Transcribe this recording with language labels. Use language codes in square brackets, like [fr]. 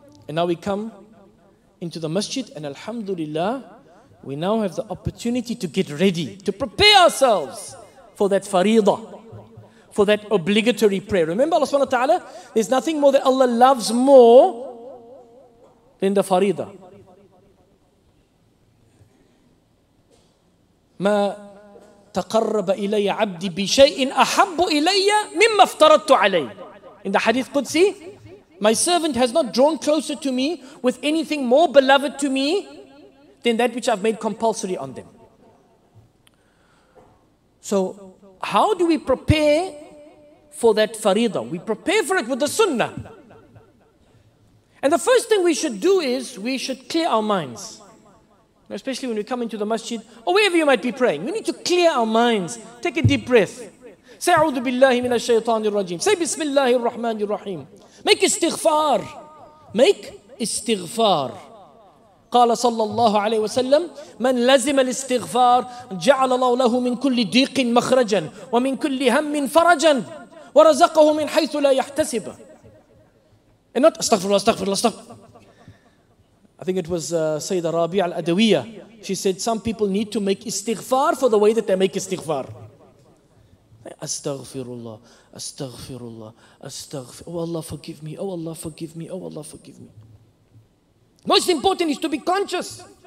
[en] And now we come into the masjid and alhamdulillah, we now have the opportunity to get ready, to prepare ourselves for that farida, for that obligatory prayer. Remember Allah subhanahu wa ta'ala, there's nothing more that Allah loves more than the farida. [ar] ما تقرب إلي عبدي بشيء أحب إلي مما افترضت عليه. [en] In the hadith Qudsi, my servant has not drawn closer to me with anything more beloved to me than that which I've made compulsory on them. So how do we prepare for that faridah? We prepare for it with the sunnah. And the first thing we should do is we should clear our minds. Especially when we come into the masjid or wherever you might be praying. We need to clear our minds. Take a deep breath. Say, [ar] A'udhu billahi min ash-shaytanir rajim. [en] Say, Bismillahir Rahmanir Rahim. Make istighfar. Make istighfar. [ar] قال صلى الله عليه وسلم من لزم الاستغفار جعل الله له من كل ضيق مخرجا ومن كل هم فرجا ورزقه من حيث لا يحتسب. [en] And not [ar] استغفر الله استغفر الله استغفر. [en] I think it was سيدة رابعة الأدوية. She said some people need to make استغفار for the way that they make استغفار. [ar] استغفر الله استغفر الله استغفر. [en] Oh Allah forgive me. Oh Allah forgive me. Oh Allah forgive me. Most important is to be conscious.